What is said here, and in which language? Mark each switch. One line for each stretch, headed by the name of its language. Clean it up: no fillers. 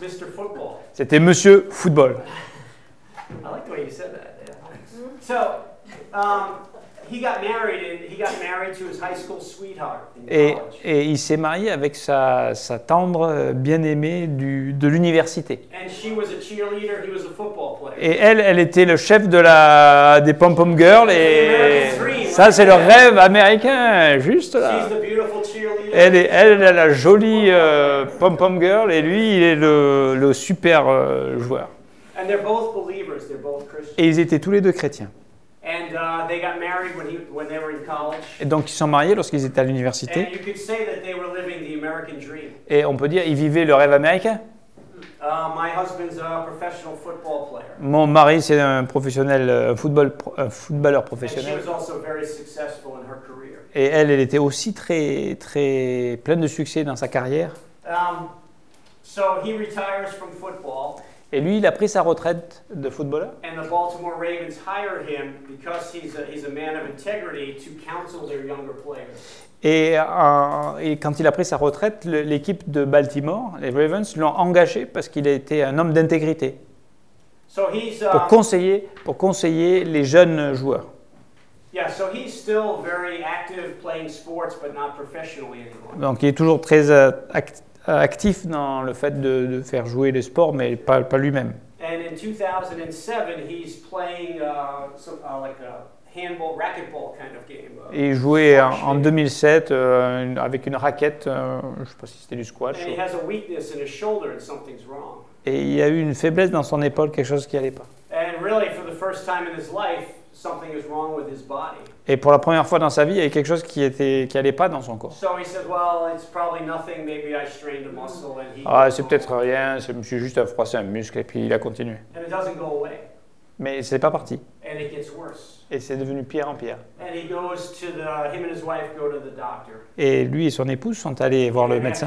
English: Mr. Football.
French: C'était Monsieur Football.
English: I like the way you said that. Yeah. So, he got married to his high school sweetheart in college.
French: Et il s'est marié avec sa tendre bien-aimée de l'université.
English: And she was a cheerleader, he was a football player.
French: Et elle était le chef des pom-pom girls et Ça, c'est le rêve américain, juste là. Elle est la jolie pom-pom girl, et lui, il est le super joueur.
English: And they're both believers. They're both Christians.
French: Et ils étaient tous les deux chrétiens.
English: And they got married when they were in college.
French: Et donc, ils sont mariés lorsqu'ils étaient à l'université.
English: And you could say that they were living the American dream.
French: Et on peut dire qu'ils vivaient le rêve américain.
English: My husband's a professional football player.
French: Mon mari, c'est un professionnel, un footballeur professionnel.
English: And she was also very successful in her career.
French: Et elle était aussi très, très pleine de succès dans sa carrière.
English: So he retires from football.
French: Et lui, il a pris sa retraite de footballeur.
English: And the Baltimore Ravens hire him because he's a man of integrity to counsel their younger players.
French: Et quand il a pris sa retraite, l'équipe de Baltimore, les Ravens, l'ont engagé parce qu'il était un homme d'intégrité.
English: So he's,
French: pour conseiller les jeunes joueurs.
English: Yeah, so he's still very active playing sports, but not professionally anymore.
French: Donc il est toujours très actif dans le fait de faire jouer les sports, mais pas lui-même.
English: And in 2007, he's playing handball, racquetball kind of game.
French: Il jouait en 2007 avec une raquette, je ne sais pas si c'était du squash.
English: And he has a weakness in his shoulder and something's wrong.
French: Et il y a eu une faiblesse dans son épaule, quelque chose qui n'allait pas.
English: And really, for the first time in his life, something is wrong with his body.
French: Et pour la première fois dans sa vie, il y a quelque chose qui n'allait pas dans son corps.
English: So he said, well, it's probably nothing. Maybe I strained a muscle. And he.
French: Ah, c'est peut-être rien. Je me suis juste froissé un muscle, et puis il a continué.
English: And it doesn't go away.
French: Mais ce n'est pas parti.
English: And it gets worse.
French: Et c'est devenu pire en pire.
English: And he goes to the, him and his wife go to the doctor.
French: Et lui et son épouse sont allés voir le médecin.